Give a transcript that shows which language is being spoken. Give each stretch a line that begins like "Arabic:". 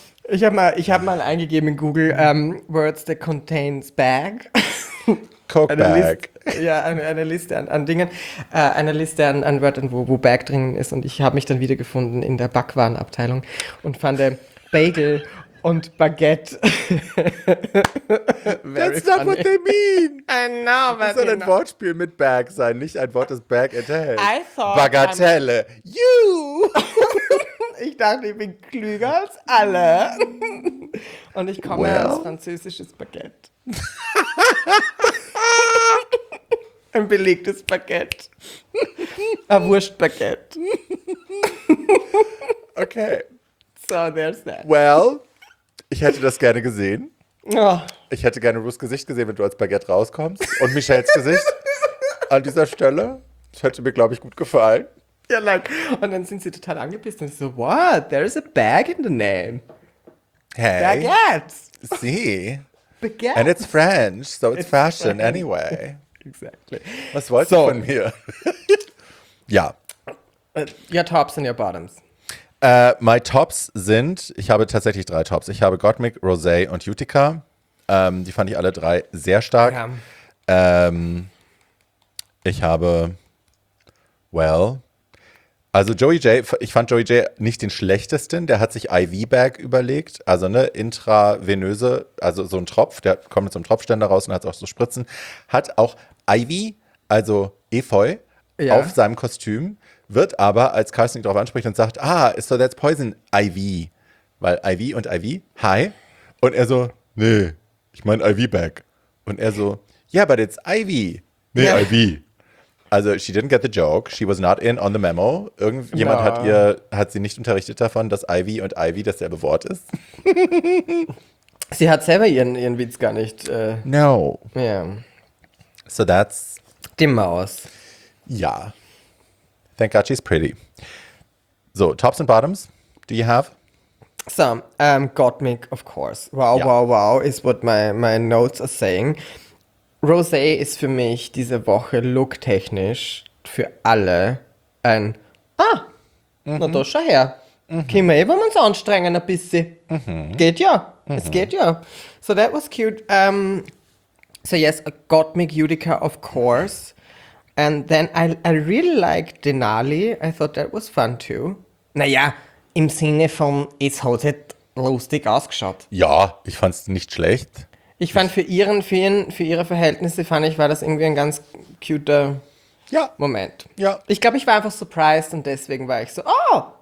German: Ich hab mal eingegeben in Google
English: Words that contains bag. Coke eine bag.
German: List, ja, eine Liste an Dingen. Eine Liste an Wörtern, wo Bag drin ist. Und ich habe mich dann wiedergefunden in der Backwarenabteilung und fand Bagel und Baguette.
English: That's funny. Not what they mean. I know, but
German: das soll ein Wortspiel mit Bag sein, nicht ein Wort, das Bag enthält.
English: I thought Bagatelle. You!
German: Ich dachte, ich bin klüger als alle. Und ich komme als französisches Baguette. Ein belegtes Baguette. Ein Wurstbaguette. Okay.
English: So, there's that.
German: Well, ich hätte das gerne gesehen. Ich hätte gerne Ruths Gesicht gesehen, wenn du als Baguette rauskommst. Und Michelles Gesicht an dieser Stelle. Das hätte mir, glaube ich, gut gefallen. Ja, like, und dann sind sie total angepisst und so,
English: what? There is a bag in the name. Hey. Baguettes. See? Baguettes. And it's French, so it's fashion French. Anyway. Exactly.
German: Was wollt ihr von mir? Ja.
English: Your tops and your bottoms. My tops
German: sind, ich habe tatsächlich 3 Tops. Ich habe Gottmik, Rosé und Utica. Die fand ich alle 3 sehr stark. Ja. Ich habe, well... Also Joey J, ich fand Joey J nicht den schlechtesten, der hat sich IV-Bag überlegt, also ne, intravenöse, also so ein Tropf, der kommt mit so einem Tropfständer raus und hat auch so Spritzen, hat auch IV, also Efeu, auf seinem Kostüm, wird aber, als Carsten darauf anspricht und sagt,
English: so that's poison,
German: IV, weil IV und IV, hi, und er so, nee, ich mein IV-Bag, und er so,
English: yeah, but it's IV,
German: nee, yeah.
English: IV. Also, she didn't get the joke. She was not in on the memo.
German: Irgendjemand hat sie nicht unterrichtet davon, dass Ivy und Ivy dasselbe Wort ist. Sie hat selber ihren Witz gar nicht.
English: No. Yeah. So that's...
German: Die Maus.
English: Ja. Thank God she's pretty. So, tops and bottoms. Do you have? So, Gottmik, of course. Wow, is what my notes are saying.
German: Rosé ist für mich diese Woche looktechnisch für alle ein Na, da schau her. Können wir eh uns anstrengen ein bisschen. Geht ja. Es geht ja.
English: So that was cute. So yes, I got me Utica, of course. And then I really liked Denali. I thought that was fun too.
German: Naja, im Sinne von, es hat halt lustig ausgeschaut. Ja, ich fand es nicht schlecht. Ich fand für ihre Verhältnisse, fand ich, war das irgendwie ein ganz cuter Moment. Ja. Ich glaube, ich war einfach surprised und deswegen war ich so, oh,